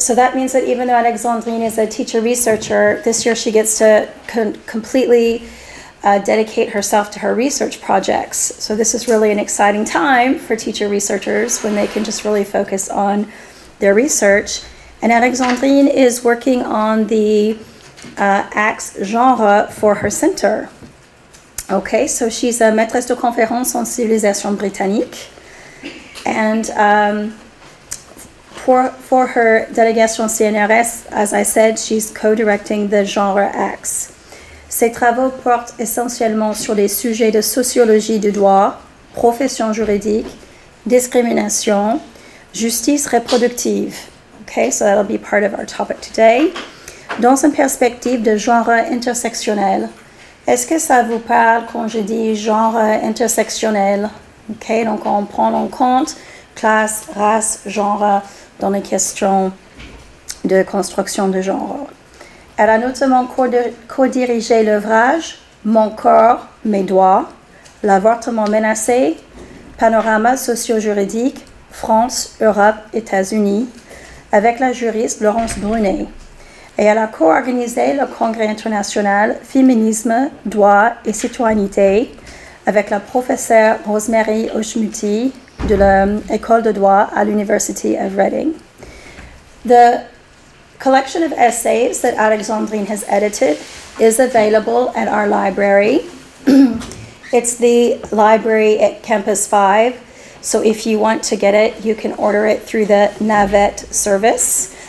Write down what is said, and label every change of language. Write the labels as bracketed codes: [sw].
[en] So that means that even though Alexandrine is a teacher researcher, this year she gets to completely dedicate herself to her research projects. So this is really an exciting time for teacher researchers when they can just really focus on their research. And Alexandrine is working on the axe genre for her center. Okay, so she's a [fr] maîtresse de conférence en civilisation britannique. [en] And for her délégation CNRS, as I said, she's co-directing the genre axe. [fr] Ses travaux portent essentiellement sur des sujets de sociologie du droit, profession juridique, discrimination, justice reproductive. [en] Okay, so that'll be part of our topic today. [fr] Dans une perspective de genre intersectionnel. Est-ce que ça vous parle quand je dis genre intersectionnel? Okay, donc on prend en compte classe, race, genre dans les questions de construction de genre. Elle a notamment co-dirigé l'ouvrage « Mon corps, mes doigts »,« L'avortement menacé »,« Panorama socio-juridique »,« France, Europe, États-Unis » avec la juriste Laurence Brunet. Et elle a co-organisé le congrès international « Féminisme, droit et citoyenneté » avec la professeure Rosemary Oshmuti de l'École de droit à l'University of Reading. [en] The collection of essays that Alexandrine has edited is available at our library. It's the library at Campus 5, so if you want to get it, you can order it through the Navette service.